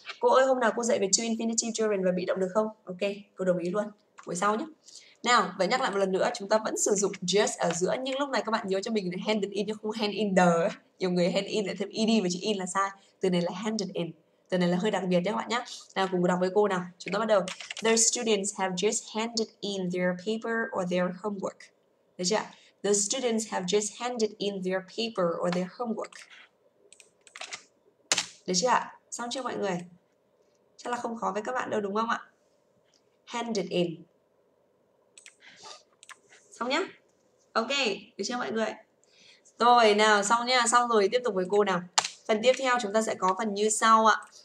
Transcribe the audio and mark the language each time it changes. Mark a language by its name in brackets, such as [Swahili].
[Vietnamese] Cô ơi, hôm nào cô dạy về to infinitive gerund và bị động được không? Ok, cô đồng ý luôn. Buổi sau nhé. Nào, và nhắc lại một lần nữa, chúng ta vẫn sử dụng just ở giữa, nhưng lúc này các bạn nhớ cho mình là handed in chứ không hand in the. Nhiều người hand in lại thêm ed và chữ in là sai. Từ này là handed in. Từ này là hơi đặc biệt nhé các bạn nhé. Nào, cùng đọc với cô nào. Chúng ta bắt đầu. [English] The students have just handed in their paper or their homework. [Vietnamese] Được chưa? [English] The students have just handed in their paper or their homework. [Vietnamese] Được chưa ạ? Xong chưa mọi người? Chắc là không khó với các bạn đâu đúng không ạ? [English] Handed in. [Vietnamese] Xong nhá. Ok, được chưa mọi người? Rồi nào, xong nhá. Xong rồi tiếp tục với cô nào. Phần tiếp theo chúng ta sẽ có phần như sau ạ.